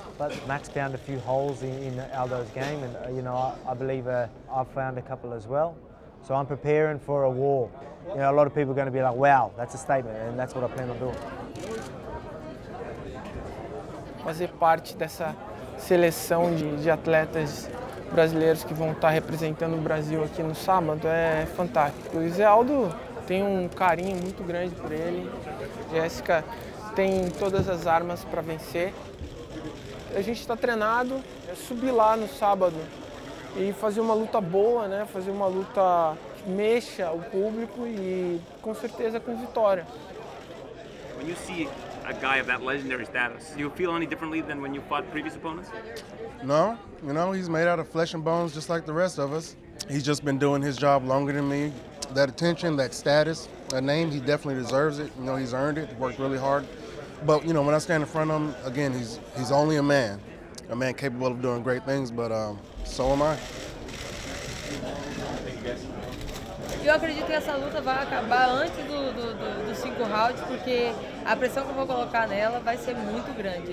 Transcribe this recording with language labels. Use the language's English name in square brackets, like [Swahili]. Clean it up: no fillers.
[English] But Max found a few holes in Aldo's game, and you know, I believe I've found a couple as well. So I'm preparing for a war. You know, a lot of people are going to be like, wow, that's a statement, and that's what I plan on doing. [Portuguese] Fazer parte dessa seleção de atletas brasileiros que vão estar representando o Brasil aqui no sábado é fantástico. O Zé Aldo tem um carinho muito grande por ele. Jéssica tem todas as armas para vencer. A gente está treinado, é subir lá no sábado e fazer uma luta boa, né? Fazer uma luta que mexa o público e com certeza com vitória. [English] When you see a guy of that legendary status, do you feel any differently than when you fought previous opponents? No, you know, he's made out of flesh and bones just like the rest of us. He's just been doing his job longer than me. That attention, that status, that name, he definitely deserves it. You know, he's earned it, worked really hard. But, you know, when I stand in front of him, again, he's only a man capable of doing great things, but so am I. [Portuguese] Eu acredito que essa luta vai acabar antes dos 5 rounds, porque a pressão que eu vou colocar nela vai ser muito grande.